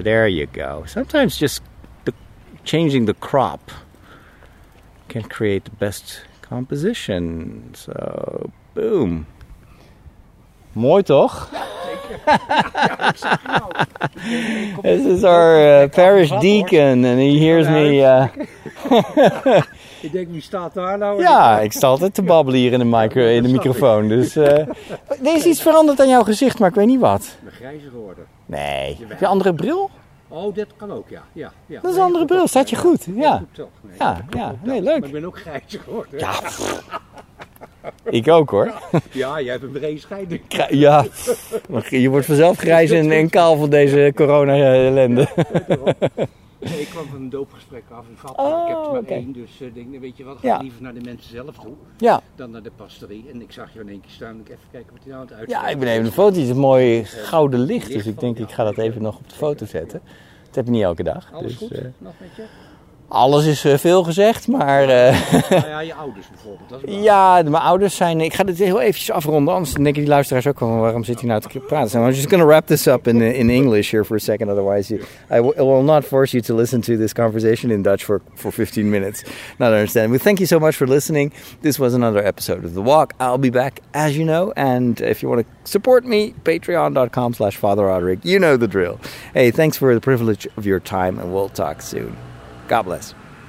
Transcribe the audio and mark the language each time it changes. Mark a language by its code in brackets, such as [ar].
[en] There you go. Sometimes just changing the crop can create the best composition. So, boom. [nl] Mooi toch? [en] This is our parish deacon, and he hears me. [nl] Ik denk, wie staat daar nou? Ja, ik sta altijd te babbelen hier in de, in de microfoon. Dus, er is iets veranderd aan jouw gezicht, maar ik weet niet wat. Een grijze geworden. Nee. Jawel. Heb je een andere bril? Oh, dat kan ook, ja. Ja, ja. Dat is een andere bril, staat je goed? Ja. Goed toch? Nee, ja, ja. Nee, leuk. Maar ik ben ook grijze geworden. Ja. Ik ook hoor. Ja, jij hebt een brede scheiding. Ja, je wordt vanzelf grijs en kaal van deze corona-ellende. Nee, ik kwam van een doopgesprek af in Vatten. Ik heb er maar één, dus denk, weet je wat, ga liever naar de mensen zelf toe dan naar de pastorie. En ik zag jou in één keer staan, ik even kijken wat hij nou aan het uitziet. Ja, ik ben even een foto, het is een mooi gouden licht, dus ik denk ik ga dat even nog op de foto zetten. Dat heb ik niet elke dag. Alles dus, goed, nog met je? Alles is veel gezegd, maar... Nou ja, je ouders bijvoorbeeld, dat is ja, mijn ouders zijn... Ik ga dit heel eventjes afronden, anders denken die luisteraars ook van... Waarom zit hij nou te praten? [en] I'm just going to wrap this up in English here for a second, otherwise... I will not force you to listen to this conversation in Dutch for 15 minutes. Not understanding. But thank you so much for listening. This was another episode of The Walk. I'll be back, as you know. And if you want to support me, patreon.com/FatherRoderick. You know the drill. Hey, thanks for the privilege of your time, and we'll talk soon. God bless.